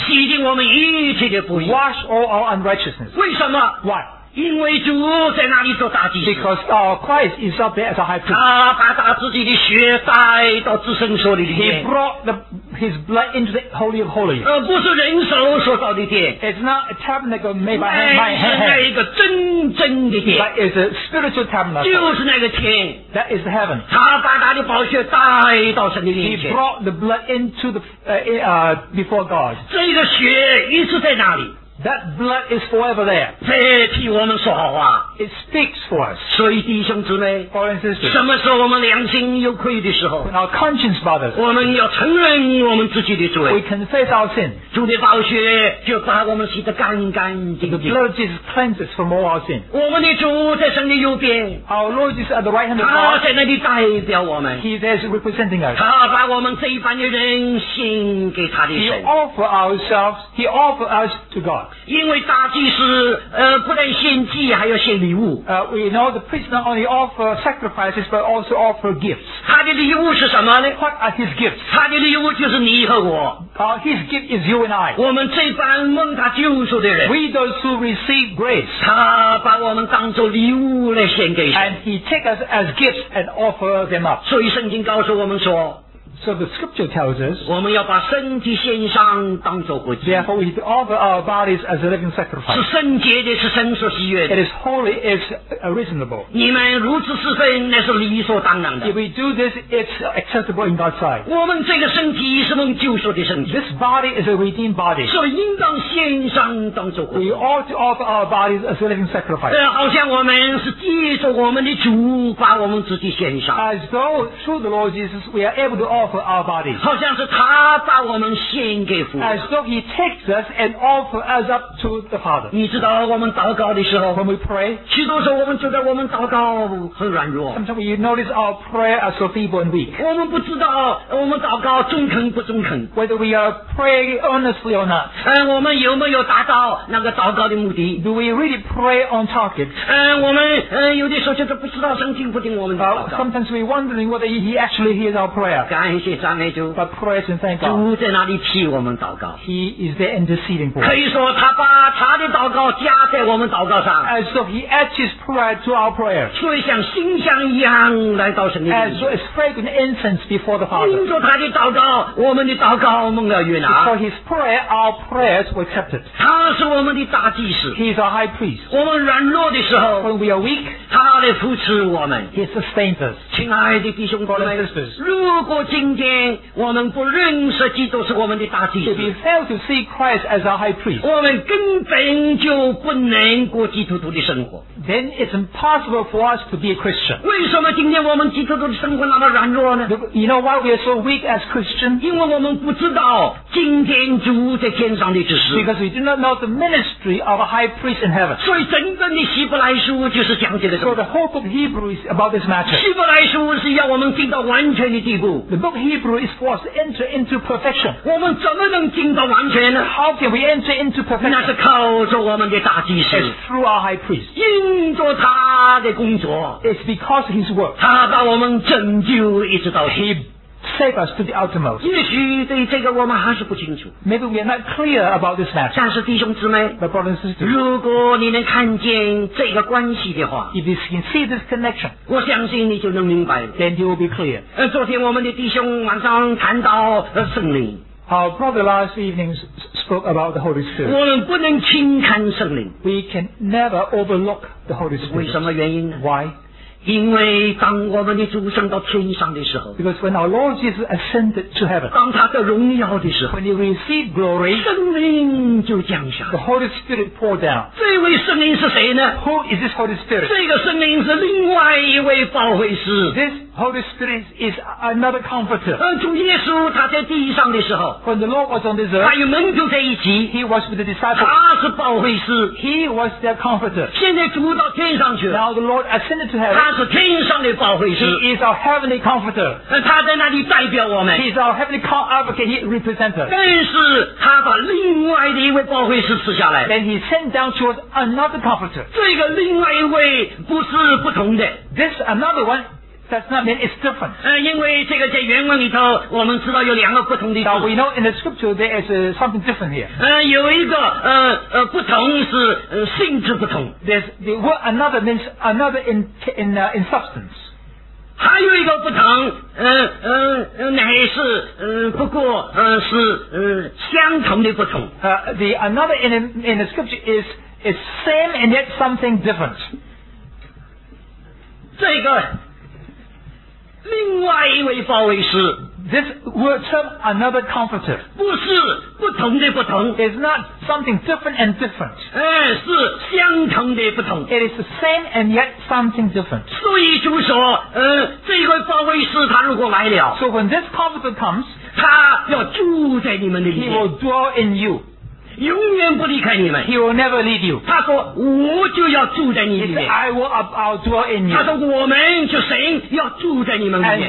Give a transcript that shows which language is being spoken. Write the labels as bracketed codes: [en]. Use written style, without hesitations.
[zh] 洗净我们一切的不义 [en] Wash all our unrighteousness. [zh] 为什么 [en] Why? [zh] 因为主在那里做大祭司 [en] Because our Christ is up there as a high priest. [zh] 他把他自己的血带到至圣所里面 [en] He brought his blood into the Holy of Holies. [zh] 不是人手所造的殿 [en] It's not a tabernacle made by hand. [zh] 乃是那一个真正的殿 [en] But it's a spiritual tabernacle. [zh] 就是那个天 [en] That is the heaven. [zh] 他把他的宝血带到神的面前 [en] He brought the blood into the, before God. [zh] 这个血一直在哪里 [en] That blood is forever there. [zh] 这替我们说好话。 [en] It speaks for us. [zh] 所以弟兄姊妹 [en] ，Brothers and sisters， [zh] 什么时候我们良心有愧的时候 [en] ？When our conscience bothers. [zh] 我们要承认我们自己的罪。 [en] We confess our sin. [zh] 主的宝血就把我们洗得干干净净。 [en] The blood of Jesus cleanses from all our sin. [zh] 我们的主在神的右边。 [en] Our Lord is at the right hand of God. [zh] 他在那里代表我们。 [en] He is representing us. [zh] 他把我们这一般的人献给他的神。 [en] He offers ourselves. He offers us to God. [zh] 因为大祭司不但献祭还要献礼物 [en] We know the priest not only offer sacrifices but also offer gifts [zh] 他的礼物是什么呢 [en] What are his gifts [zh] 他的礼物就是你和我 [en] His gift is you and I [zh] 我们这般蒙他救赎的人 [en] We those who receive grace [zh] 他把我们当作礼物来献给神 [en] And he take us as gifts and offer them up [zh] 所以圣经告诉我们说 [en] So the scripture tells us, [zh] 我们要把身体献上当作活祭。 [en] Therefore, we offer our bodies as a living sacrifice. [zh] 是圣洁的，是神所喜悦的。 [en] It is holy, it's reasonable. [zh] 你们如此侍奉，那是理所当然的。 [en] If we do this, it's acceptable in God's sight. [zh] 我们这个身体是蒙救赎的身体。 [en] This body is a redeemed body. [zh] 所以应当献上当作活祭。 [en] We ought to offer our bodies as a living sacrifice. [zh] 好像我们是借着我们的主把我们自己献上。 [en] As though through the Lord Jesus, we are able to offer. For our bodies. [zh] 好像是他把我们献给父。 [en] As though he takes us and offers us up to the Father. [zh] 你知道我们祷告的时候 [en] ，when we pray， [zh] 许多时候我们觉得我们祷告很软弱。 [en] Sometimes you notice our prayer are so feeble and weak. [zh] 我们不知道我们祷告忠肯不忠肯。 [en] Whether we are praying earnestly or not. [zh] 我们有没有达到那个祷告的目的 [en] ？Do we really pray on target？ [zh] 我们有的时候就是不知道神听不听我们的祷告。 [en] Sometimes we wondering whether he actually hears our prayer. But praise and thank God. [zh] 主在哪里替我们祷告 [en] ？He is there interceding for us. [zh] 可以说他把他的祷告加在我们祷告上。 [en] As so he adds his prayer to our prayer. [zh] 所以像馨香一样来到神的面前。 [en] As so it's fragrant incense before the Father. [zh] 听说他的祷告，我们的祷告蒙了悦纳。 [en] For his prayer, our prayers were accepted. [zh] 他是我们的大祭司。 [en] He is our high priest. [zh] 我们软弱的时候 [en] ，when we are weak, [zh] 他来扶持我们。 [en] He sustains us. [zh] 亲爱的弟兄姊妹，如果今天我们不认识基督是我们的大祭司 [en] If we fail to see Christ as our high priest [zh] 我们根本就不能过基督徒的生活 [en] then it's impossible for us to be a Christian. [zh] 为什么今天我们基督徒的生活那么软弱呢？ [en] You know why we are so weak as Christians? [zh] 因为我们不知道今天主在天上的指示。 [en] Because we do not know the ministry of a high priest in heaven. [zh] 所以整个的希伯来书就是讲这个。 [en] So the whole book of Hebrew is about this matter. [zh] 希伯来书是要我们进到完全的地步。 [en] The book of Hebrew is for us to enter into perfection. [zh] 我们怎么能进到完全呢？ [en] How can we enter into perfection? [zh] 那是靠着我们的大祭司。 [en] It's through our high priest. [zh] 因着他的工作 [en] ，It's because his work. [zh] 他把我们拯救一直到 [en] He saved us to the uttermost. [zh] 也许对这个我们还是不清楚 [en] ，Maybe we're not clear about this matter. [zh] 但是弟兄姊妹 [en] ，My brothers and sisters, [zh] 如果你能看见这个关系的话 [en] ，If you can see this connection, [zh] 我相信你就能明白 [en] ，Then you will be clear. [zh] 昨天我们的弟兄晚上谈到圣灵。 [en] Our brother last evening spoke about the Holy Spirit. [zh] 我们不能轻看圣灵。 [en] We can never overlook the Holy Spirit. [zh] 为什么原因呢？ [en] Why? [zh] 因为当我们的主升到天上的时候。 [en] Because when our Lord Jesus ascended to heaven. [zh] 当他的荣耀的时候。 [en] When he received glory. [zh] 圣灵就降下。 [en] The Holy Spirit poured down. [zh] 这位圣灵是谁呢？ [en] Who is this Holy Spirit? [zh] 这个圣灵是另外一位保惠师。 [en] This Holy Spirit is another comforter. [zh] 主耶稣他在地上的时候。 [en] When the Lord was on this earth. [zh] 他与门徒在一起。 [en] He was with the disciples. [zh] 他是保惠师。 [en] He was their comforter. [zh] 现在主到天上去了。 [en] Now the Lord ascended to heaven. [zh] 他是天上的保惠师。 [en] He is our heavenly comforter. [zh] 他在那里代表我们。 [en] He is our heavenly advocate. He represents us. [zh] 但是他把另外的一位保惠师赐下来。 [en] Then he sent down to us another comforter. [zh] 这个另外一位不是不同的。 [en] This another one. That's not mean it's different. [zh] 因为这个在原文里头，我们知道有两个不同的。 [en] Now we know in the scripture there is something different here. [zh] 有一个不同是性质不同。 [en] There's the word another means another in substance. [zh] 还有一个不同，乃是不过是相同的不同。 [en] The another in the scripture is same and yet something different. [zh] 这个。另外一位保惠师 [en] This word term another comforter [zh] 不是不同的不同 [en] It's not something different and different [zh] 是相同的不同 [en] It is the same and yet something different [zh] 所以就说这位保惠师他如果来了 [en] So when this comforter comes [zh] 他要住在你们里面 [en] He will dwell in you [zh] 永远不离开你们 [en] He will never leave you [zh] 他说我就要住在你里面 [en] I will I'll dwell in you [zh] 他说我们就神要住在你们里面